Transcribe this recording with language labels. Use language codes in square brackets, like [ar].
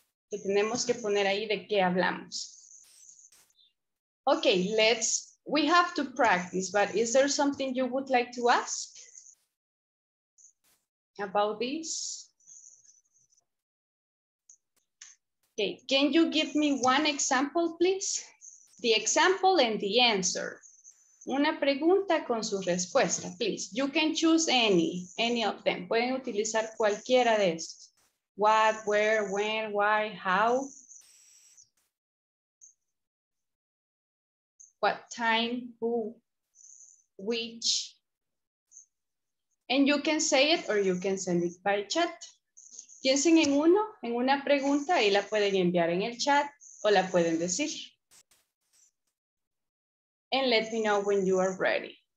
[es] Que tenemos que poner ahí de qué hablamos. [en] Okay, we have to practice, but is there something you would like to ask about this? Okay, can you give me one example, please? The example and the answer. [es] Una pregunta con su respuesta, [en] please. You can choose any of them. [es] Pueden utilizar cualquiera de estos. [en] What, where, when, why, how? What time, who, which? And you can say it or you can send it by chat. [es] Piensen en uno, en una pregunta, y la pueden enviar en el chat o la pueden decir. [en] And let me know when you are ready.